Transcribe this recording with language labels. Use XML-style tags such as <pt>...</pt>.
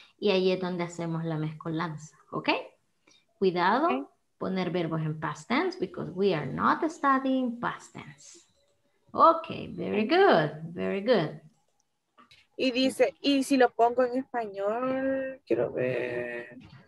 <es>Y ahí es donde hacemos la mezcolanza, ¿ok? Cuidado, okay. Poner verbos en</es> <en>past tense, because we are not studying past tense. Ok, very good, very good.</en> <es>Y dice, y si lo pongo en español, quiero ver.</es>